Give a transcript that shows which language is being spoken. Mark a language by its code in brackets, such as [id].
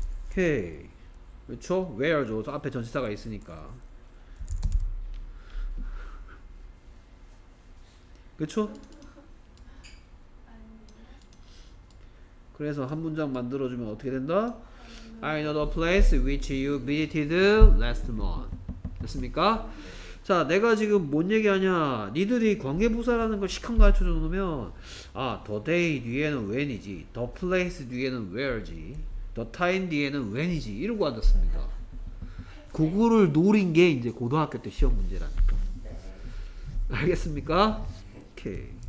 [ko] 오케이. 그렇죠? where죠. 앞에 전치사가 있으니까. 그렇죠? 그래서 한 문장 만들어 주면 어떻게 된다? [en] I know the place which you visited last month. [ko] 됐습니까? 자, 내가 지금 뭔 얘기하냐? 니들이 관계부사라는 걸 시커멓게 가르쳐 놓으면, 아, the day 뒤에는 when이지, the place 뒤에는 where지, the time 뒤에는 when이지 이러고 앉았습니다. 그거를 노린 게 이제 고등학교 때 시험 문제라니까. 알겠습니까? 오케이.